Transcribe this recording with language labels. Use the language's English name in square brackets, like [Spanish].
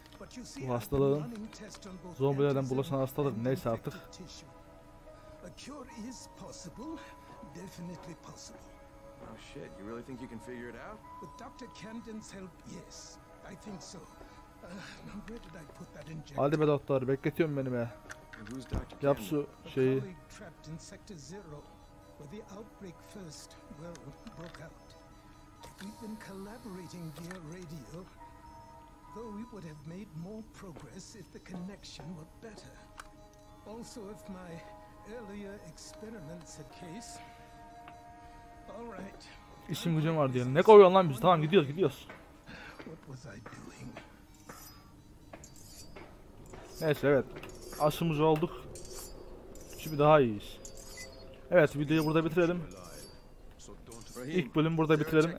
[English] But you see, [Turkish] bu hastalığın zombilerden bulaşan hastalık neyse artık. [English] A cure is possible. Definitely possible. Oh shit, you really think you can figure it out? With Dr. Camden's help, yes. I think so. Where did I put that injection? [Turkish] Hadi be doktor, bekletiyorum beni be. Yap şu şeyi. [English] With the outbreak first, well, broke out. We've been collaborating via radio, though we would have made more progress if the connection were better. Also, if my earlier experiments had case. All right. [Turkish] İşim gücüm var diyelim. Ne koyuyorsun lan biz? Tamam gidiyoruz, gidiyoruz. [English] What was I doing? [Turkish] Neyse evet. Aşımız olduk. Şimdi daha iyiyiz. Evet, videoyu burada bitirelim. İlk bölümü burada bitirelim.